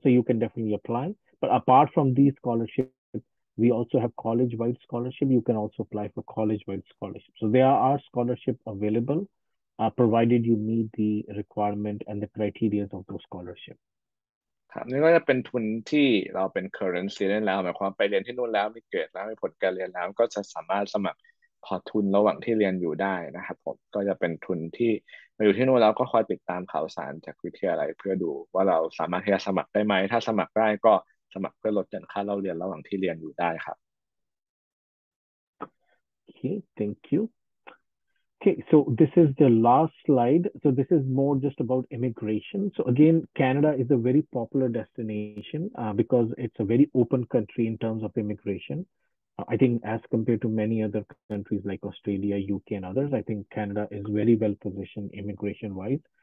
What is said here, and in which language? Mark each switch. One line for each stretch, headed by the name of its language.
English: So you can definitely apply. But apart from these scholarships, we also have college-wide scholarship. You can also apply for college-wide scholarship. So there are scholarships available, provided you meet the requirement and the criteria of those scholarship.
Thai: ครับนี่ก็จะเป็นทุนที่เราเป็น
English: current student
Thai: แล้วหมายความไปเรียนที่นู่นแล้วมีเกรดแล้วมีผลการเรียนแล้วก็จะสามารถสมัครขอทุนระหว่างที่เรียนอยู่ได้นะครับผมก็จะเป็นทุนที่มาอยู่ที่นู่นแล้วก็คอยติดตามข่าวสารจากวิทยาลัยเพื่อดูว่าเราสามารถที่จะสมัครได้ไหมถ้าสมัครได้ก็สมัครเพื่อลดหย่อนค่าเล่าเรียนระหว่างที่เรียนอยู่ได้ครับ
English: Okay, thank you. Okay, so this is the last slide. So this is more just about immigration. So again, Canada is a very popular destination because it's a very open country in terms of immigration. I think as compared to many other countries like Australia, UK and others, I think Canada is very well positioned immigration wise.